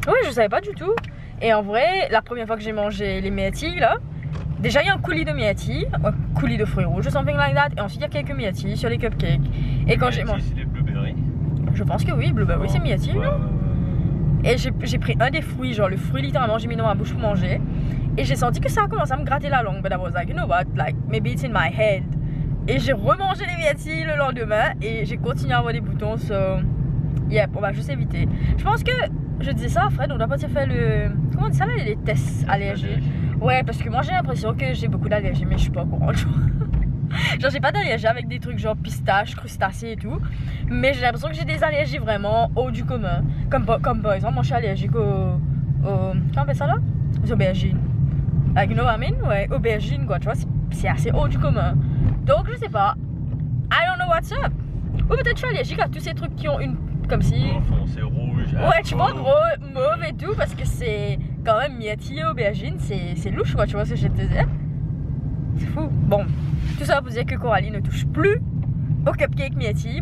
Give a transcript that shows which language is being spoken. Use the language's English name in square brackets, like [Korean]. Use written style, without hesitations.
[French] Ouais, je savais pas du tout. Et en vrai, la première fois que j'ai mangé les Miati là, déjà il y a un coulis de Miati, un coulis de fruits rouges, [English] something like that. [French] Et ensuite il y a quelques Miati sur les cupcakes. Et quand Miati, j'ai mangé, c'est des blueberries. Je pense que oui, blueberries, oh, c'est Miati. Bah... Et j'ai pris un des fruits, genre le fruit littéralement, j'ai mis dans ma bouche pour manger. Et j'ai senti que ça a commencé à me gratter la langue. [English] But I was like, you know what, like, maybe it's in my head. [French] Et j'ai remangé les Miati le lendemain et j'ai continué à avoir des boutons. So, yep, on va juste éviter. Je pense que, je disais ça à Fred, on doit partir faire le... Comment on dit ça là, les tests allergiques. Ouais, parce que moi j'ai l'impression que j'ai beaucoup d'allergies, mais je suis pas au courant. Genre j'ai pas d'allergies avec des trucs genre pistaches, crustacés et tout. Mais j'ai l'impression que j'ai des allergies vraiment hors du commun. Comme par exemple, moi je suis allergique au... Comment on appelle ça là? Aux aubergines. [English] Like, you know what I mean? [French] Ouais, aubergines quoi, tu vois, c'est assez hors du commun. Donc je sais pas, [English] I don't know what's up. [French] Ou peut-être je suis allergique à tous ces trucs qui ont une... Comme si... Foncé, rouge. Ouais, tu vois, gros, mauve et tout. Parce que c'est quand même myrtille et aubergines, c'est louche quoi, tu vois ce que je te disais. C'est fou. Bon, tout ça pour dire que Coralie ne touche plus au cupcake Miati.